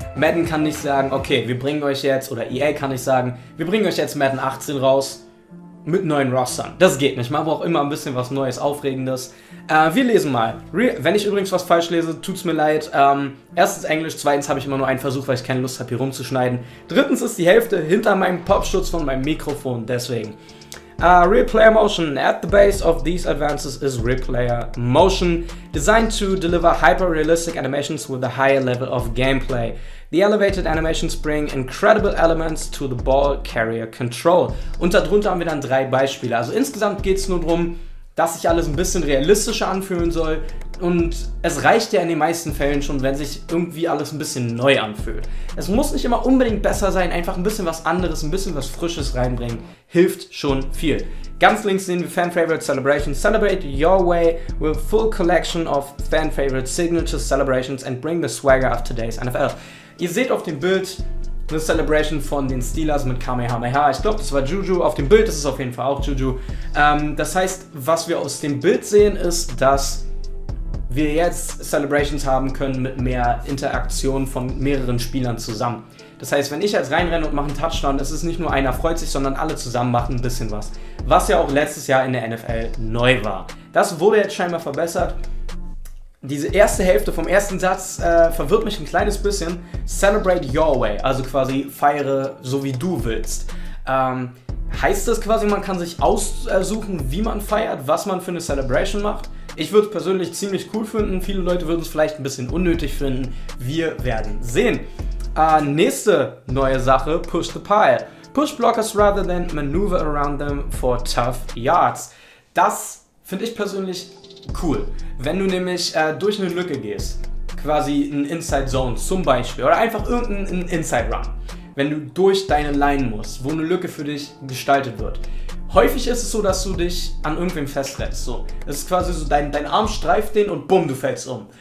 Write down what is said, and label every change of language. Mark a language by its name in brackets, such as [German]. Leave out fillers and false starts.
[German] Madden kann nicht sagen, okay, wir bringen euch jetzt, oder EA kann nicht sagen, wir bringen euch jetzt Madden 18 raus mit neuen Rostern. Das geht nicht. Man braucht immer ein bisschen was Neues, Aufregendes. Wir lesen mal. Wenn ich übrigens was falsch lese, tut's mir leid. Erstens Englisch, zweitens habe ich immer nur einen Versuch, weil ich keine Lust habe, hier rumzuschneiden. Drittens ist die Hälfte hinter meinem Popschutz von meinem Mikrofon, deswegen. Real Player Motion. [English] At the base of these advances is Real Player Motion, designed to deliver hyper-realistic animations with a higher level of gameplay. The elevated animations bring incredible elements to the ball carrier control. [German] Und darunter haben wir dann 3 Beispiele. Also insgesamt geht es nur darum, dass sich alles ein bisschen realistischer anfühlen soll. Und es reicht ja in den meisten Fällen schon, wenn sich irgendwie alles ein bisschen neu anfühlt. Es muss nicht immer unbedingt besser sein, einfach ein bisschen was anderes, ein bisschen was Frisches reinbringen, hilft schon viel. Ganz links sehen wir Fan Favorite Celebrations. [English] Celebrate your way with full collection of Fan Favorite Signature Celebrations and bring the swagger of today's NFL. [German] Ihr seht auf dem Bild eine Celebration von den Steelers mit Kamehameha. Ich glaube, das war Juju. Auf dem Bild ist es auf jeden Fall auch Juju. Das heißt, was wir aus dem Bild sehen, ist, dass wir jetzt Celebrations haben können mit mehr Interaktion von mehreren Spielern zusammen. Das heißt, wenn ich jetzt reinrenne und mache einen Touchdown, ist es nicht nur einer freut sich, sondern alle zusammen machen ein bisschen was. Was ja auch letztes Jahr in der NFL neu war. Das wurde jetzt scheinbar verbessert. Diese erste Hälfte vom ersten Satz verwirrt mich ein kleines bisschen. [English] Celebrate your way, [German] also quasi feiere so wie du willst. Heißt das quasi, man kann sich aussuchen, wie man feiert, was man für eine Celebration macht? Ich würde es persönlich ziemlich cool finden, viele Leute würden es vielleicht ein bisschen unnötig finden. Wir werden sehen. Nächste neue Sache, push the pile. [English] Push blockers rather than maneuver around them for tough yards. [German] Das finde ich persönlich cool. Wenn du nämlich durch eine Lücke gehst, quasi in Inside Zone zum Beispiel, oder einfach irgendein Inside Run, wenn du durch deine Line musst, wo eine Lücke für dich gestaltet wird, häufig ist es so, dass du dich an irgendwem festrennst. So, es ist quasi so, dein Arm streift den und bumm, du fällst um.